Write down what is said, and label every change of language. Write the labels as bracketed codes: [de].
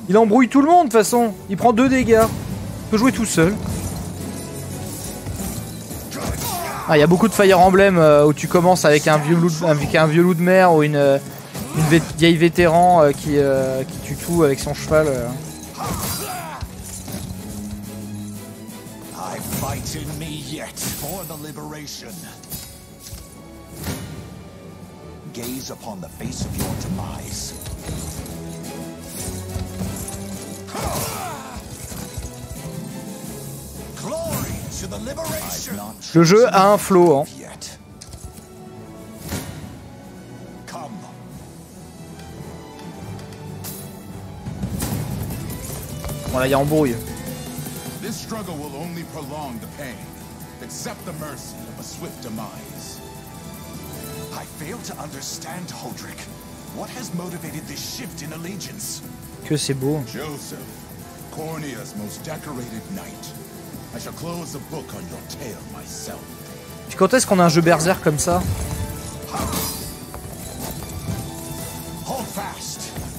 [fr] Il embrouille tout le monde, de toute façon. Il prend 2 dégâts. Il peut jouer tout seul. Ah, il y a beaucoup de Fire Emblem où tu commences avec un vieux loup de mer ou une vieille vétéran qui tue tout avec son cheval. [en] I fight in me yet for the liberation. Gaze upon the face of your demise. Glory to the liberation. [fr] Le jeu a un flow, hein. Bon, là, il y a embrouille. [en] This struggle will only prolong the pain. Accept the mercy of a swift demise. I fail to understand, Holdrick. What has motivated this shift in allegiance? [fr] Que c'est beau. [en] Joseph, Cornea's most decorated knight. I shall close the book on your tale myself. [fr] Puis quand est-ce qu'on a un jeu berserk comme ça? [en] Hold fast.